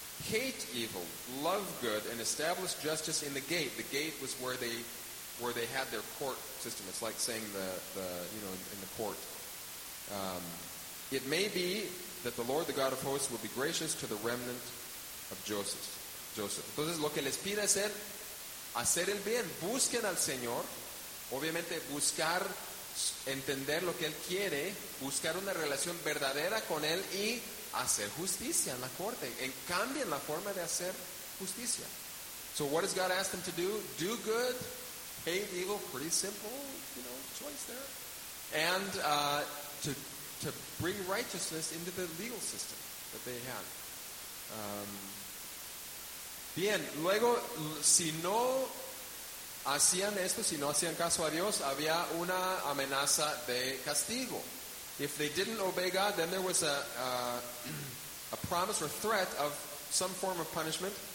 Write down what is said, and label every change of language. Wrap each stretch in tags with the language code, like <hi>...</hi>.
<en>Hate evil, love good, and establish justice in the gate. The gate was where they had their court system. It's like saying the you know, in the court. It may be that the Lord, the God of hosts, will be gracious to the remnant of Joseph.</en> <es>Entonces, lo que les pide es hacer el bien. Busquen al Señor. Obviamente, buscar, entender lo que Él quiere. Buscar una relación verdadera con Él y hacer justicia en la corte. En cambio, en la forma de hacer justicia.</es> <en>So, what does God ask them to do? Do good, hate evil. Pretty simple, you know, choice there. And to bring righteousness into the legal system that they had.</en> <es>Bien, luego, si no hacían esto, si no hacían caso a Dios, había una amenaza de castigo.</es> <en>If they didn't obey God, then there was a promise or threat of some form of punishment.</en>